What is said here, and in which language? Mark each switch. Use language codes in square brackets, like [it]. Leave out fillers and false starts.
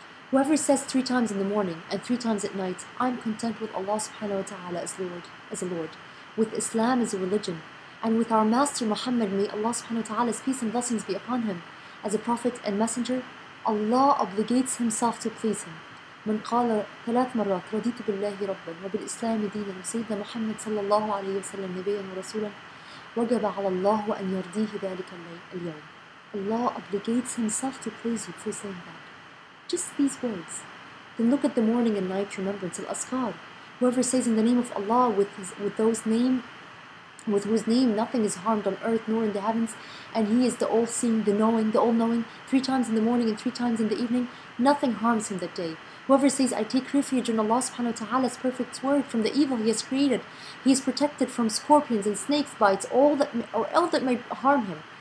[en] Whoever says 3 times in the morning and 3 times at night, I'm content with Allah subhanahu wa ta'ala as a Lord, with Islam as a religion, and with our Master Muhammad, may Allah subhanahu wa ta'ala's peace and blessings be upon him, as a prophet and messenger, Allah obligates himself to please him. [ar] من قال ثلاث مرات رضيت بالله ربا وبالإسلام دينا وسيدنا محمد صلى الله عليه وسلم نبيا ورسولا وجب على الله أن يرضيه ذلك اليوم. [en] Allah obligates himself to please you for saying that. Just these words. Then look at the morning and night remembrance, al-askar. Whoever says in the name of Allah with whose name nothing is harmed on earth nor in the heavens, and he is the all-seeing, the knowing, the all-knowing, three times in the morning and three times in the evening, nothing harms him that day. Whoever says, I take refuge in Allah subhanahu wa ta'ala's perfect word from the evil he has created, he is protected from scorpions and snake bites, all that may harm him.